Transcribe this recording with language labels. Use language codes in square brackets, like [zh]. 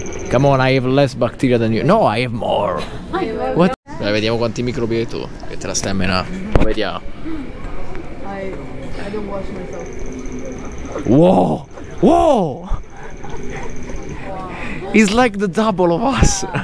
[en] Come on, I have less bacteria than you. No, I have more. What? [it] Dai, vediamo quanti microbi hai tu, che te la stai a menà. Vediamo. [en] Wow, wow, he's like the double of us.